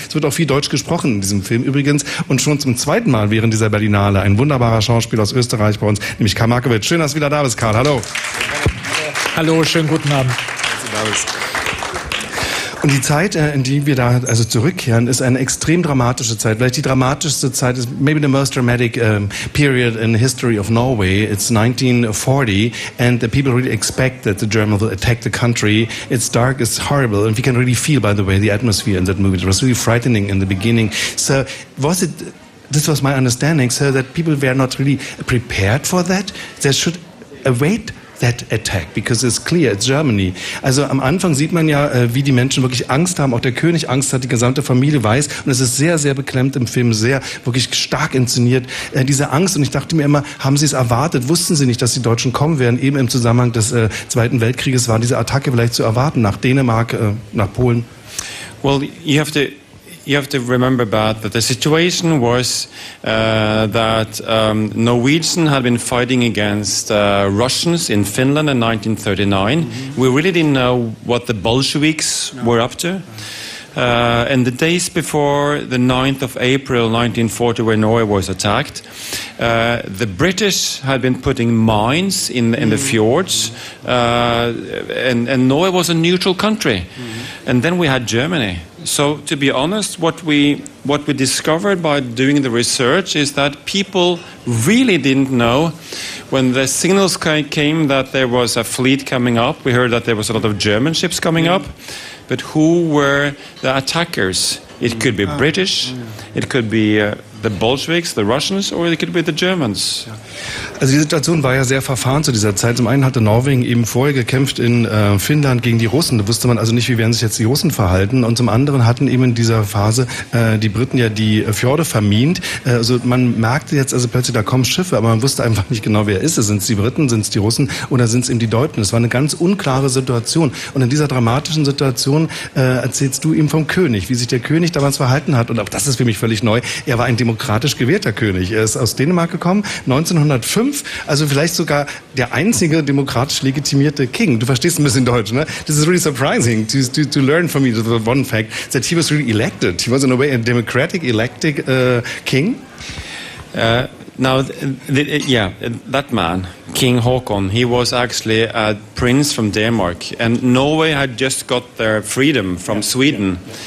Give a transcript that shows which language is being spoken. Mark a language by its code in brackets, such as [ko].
[de] Es wird auch viel Deutsch gesprochen in diesem Film übrigens. Und schon zum zweiten Mal während dieser Berlinale ein wunderbarer Schauspieler aus Österreich bei uns, nämlich Karl Markowitz. Schön, dass du wieder da bist, Karl. Hallo. Hallo, schönen guten Abend. Schön, dass du da bist. Und die Zeit, in die wir da also zurückkehren, ist eine extrem dramatische Zeit. Vielleicht die dramatischste Zeit ist [en] maybe the most dramatic period in the history of Norway. It's 1940 and the people really expect that the Germans will attack the country. It's dark, it's horrible. And we can really feel, by the way, the atmosphere in that movie. It was really frightening in the beginning. So was it, this was my understanding, so that people were not really prepared for that? They should await that attack, because it's clear, it's Germany. [de] Also am Anfang sieht man ja, wie die Menschen wirklich Angst haben, auch der König Angst hat, die gesamte Familie weiß, und es ist sehr, sehr beklemmt im Film, sehr, wirklich stark inszeniert, diese Angst, und ich dachte mir immer, haben sie es erwartet, wussten sie nicht, dass die Deutschen kommen werden, eben im Zusammenhang des Zweiten Weltkrieges war diese Attacke vielleicht zu erwarten, nach Dänemark, nach Polen. [en] Well, you have to remember about that the situation was that Norwegians had been fighting against Russians in Finland in 1939. Mm-hmm. We really didn't know what the Bolsheviks were up to. And the days before the 9th of April 1940, when Norway was attacked, the British had been putting mines in the fjords, and Norway was a neutral country. Mm-hmm. And then we had Germany. So to be honest, what we discovered by doing the research is that people really didn't know when the signals came that there was a fleet coming up. We heard that there was a lot of German ships coming up. But who were the attackers? It could be British, it could be the Bolsheviks, the Russians, or it could be the Germans. [de] Also die Situation war ja sehr verfahren zu dieser Zeit. Zum einen hatte Norwegen eben vorher gekämpft in Finnland gegen die Russen. Da wusste man also nicht, wie werden sich jetzt die Russen verhalten. Und zum anderen hatten eben in dieser Phase die Briten ja die Fjorde vermint. Also man merkte jetzt also plötzlich, da kommen Schiffe, aber man wusste einfach nicht genau, wer ist es. Sind es die Briten, sind es die Russen oder sind es eben die Deutschen? Es war eine ganz unklare Situation. Und in dieser dramatischen Situation erzählst du ihm vom König, wie sich der König damals verhalten hat. Und auch das ist für mich völlig neu. Er war ein demokratisch gewählter König. Er ist aus Dänemark gekommen, 1905, also vielleicht sogar der einzige demokratisch legitimierte King. Du verstehst ein bisschen Deutsch, ne? [en] This is really surprising to learn from me the one fact that he was really elected. He was in a way a democratic elected king. That man, King Haakon, he was actually a prince from Denmark, and Norway had just got their freedom from Sweden.